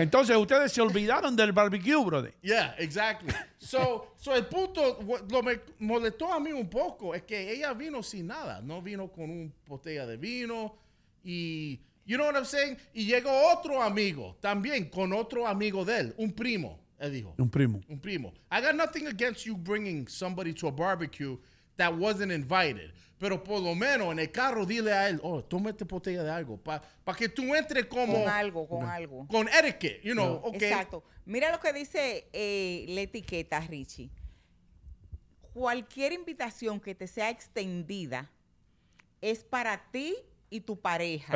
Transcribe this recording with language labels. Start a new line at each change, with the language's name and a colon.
Spanish: entonces, ustedes se olvidaron del barbecue, brother.
English: Yeah, exactly.
Spanish: So el punto, lo me molestó a mí un poco, es que ella vino sin nada. No vino con un botella de vino. Y,
English: you know what I'm saying?
Spanish: Y llegó otro amigo, también, con otro amigo de él. Un primo, él dijo. Un primo.
English: I got nothing against you bringing somebody to a barbecue that wasn't invited.
Spanish: Pero por lo menos en el carro dile a él, oh, toma esta botella de algo pa que tú entres como... Con algo. Con etiquette,
English: you know,
Spanish: no. Okay. Exacto. Mira lo que dice la etiqueta, Richie. Cualquier invitación que te sea extendida es para ti y tu pareja.